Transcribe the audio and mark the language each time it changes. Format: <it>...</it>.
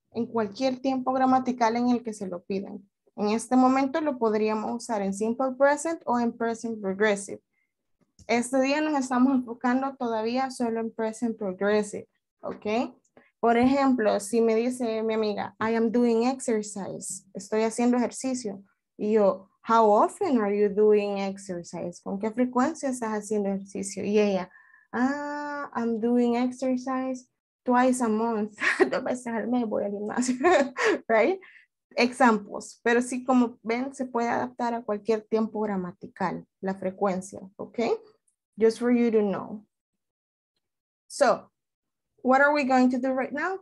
<es>En cualquier tiempo gramatical en el que se lo piden. En este momento lo podríamos usar en simple present o en present progressive. Este día nos estamos enfocando todavía solo en present progressive, ok. Por ejemplo, si me dice mi amiga,</es> <en>I am doing exercise,</en> <es>estoy haciendo ejercicio. Y yo,</es> <en>how often are you doing exercise?</en> <es>¿Con qué frecuencia estás haciendo ejercicio? Y ella, ah,</es> <en>I'm doing exercise 2 times a month,</en> <es>2 veces al mes voy al gimnasio, right? Examples, pero sí, como ven, se puede adaptar a cualquier tiempo gramatical, la frecuencia, ¿ok?</es> <en>just for you to know. So, what are we going to do right now?</en>